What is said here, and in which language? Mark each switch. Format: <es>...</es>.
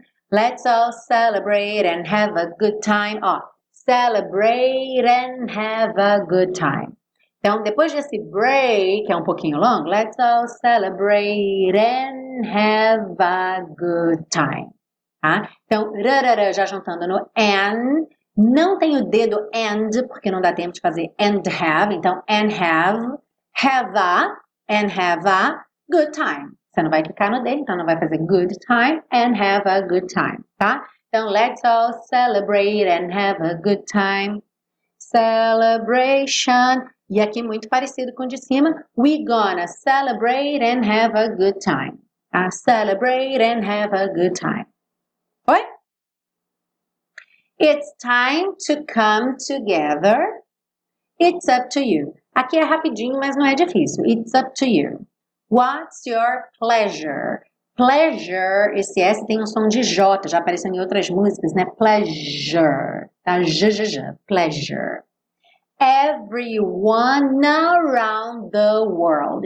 <en>Let's all celebrate and have a good time. Ó, celebrate and have a good time.</en> <pt>Então, depois desse break, que é um pouquinho longo,</pt> <en>let's all celebrate and have a good time.</en> <pt>Tá? Então, rarara, já juntando no and. Não tem o dedo and, porque não dá tempo de fazer and have.</pt> <en>Então, and have, have a, and have a good time.</en> <pt>Você não vai clicar no D, então não vai fazer</pt> <en>good time and have a good time,</en> <pt>tá? Então,</pt> <en>let's all celebrate and have a good time. Celebration.</en> <pt>E aqui, muito parecido com o de cima.</pt> <en>We gonna celebrate and have a good time. Celebrate and have a good time. Oi? It's time to come together. It's up to you.</en> <pt>Aqui é rapidinho, mas não é difícil.</pt> <en>It's up to you. What's your pleasure?</en> <pt>Pleasure, esse S tem um som de J, já apareceu em outras músicas, né? Pleasure, tá? J, j, j, pleasure.</pt> <en>Everyone around the world.</en>